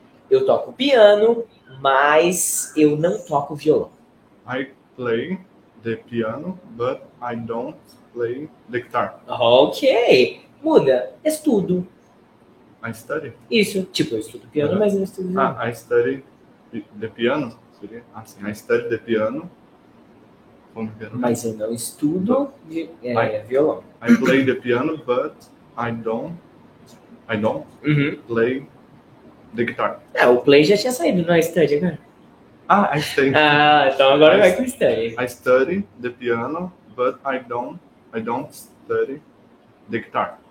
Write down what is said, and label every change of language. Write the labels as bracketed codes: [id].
[pt] Eu toco piano, mas eu não toco violão. [en] I play the piano, but I don't play the guitar. [pt] Ok. Muda. Estudo. [en] I study. [pt] Isso. Tipo, eu estudo piano, mas não estudo violão. [en] I study the piano. [pt] Seria assim, [en] I study the piano. [pt] Mas eu não estudo violão. [en] I play the piano, but I don't play the guitar. [pt] É, o play já tinha saído, não é study agora? [en] Ah, I study. [pt] Ah, então agora vai com study. [en] I study the piano, but I don't study the guitar.